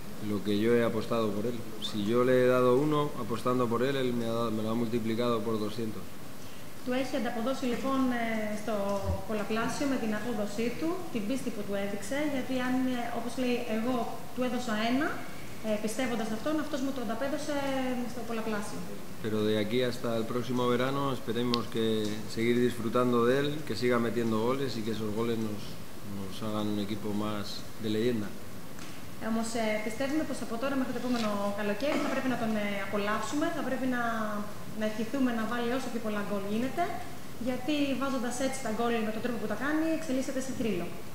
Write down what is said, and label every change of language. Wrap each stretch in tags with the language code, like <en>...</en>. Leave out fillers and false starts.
<es>Lo que yo he apostado por él. Si yo le he dado uno apostando por él, él me lo ha multiplicado por 200.</es> <el>Του έχει ανταποδώσει λοιπόν στο πολλαπλάσιο με την απόδοσή του, την πίστη που του έδειξε, γιατί αν, όπως λέει, εγώ του έδωσα ένα, πιστεύοντας αυτόν, αυτός μου το ανταπέδωσε στο πολλαπλάσιο.</el> <es>Pero de aquí hasta el próximo verano esperemos que seguir disfrutando de él, que siga metiendo goles y que esos goles nos hagan un equipo más de leyenda.</es> <el>Όμως πιστεύουμε πως από τώρα μέχρι το επόμενο καλοκαίρι θα πρέπει να τον απολαύσουμε, θα πρέπει να ευχηθούμε να βάλει όσο και πολλά γκολ γίνεται, γιατί βάζοντας έτσι τα γκολ με τον τρόπο που τα κάνει, εξελίσσεται σε θρύλο.</el>